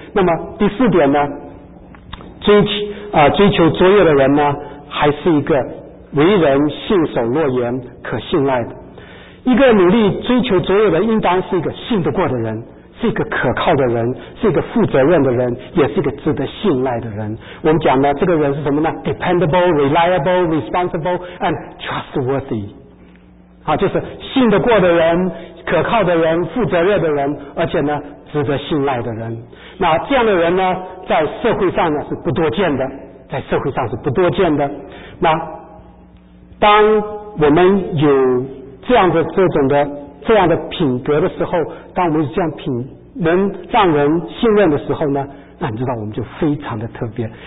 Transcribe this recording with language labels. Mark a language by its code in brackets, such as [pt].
[zh] 那么第4点呢，追求卓越的人呢，还是一个为人信守诺言、可信赖的。一个努力追求卓越的，应当是一个信得过的人。是一个可靠的人，是一个负责任的人，也是一个值得信赖的人。我们讲呢，这个人是什么呢？ [en] Dependable, reliable, responsible and trustworthy。 [zh] 好，就是信得过的人，可靠的人，负责任的人，而且呢值得信赖的人。那这样的人呢，在社会上呢是不多见的，在社会上是不多见的。那当我们有这样的这种的这样的品格的时候，当我们是这样品能让人信任的时候呢，那你知道我们就非常的特别。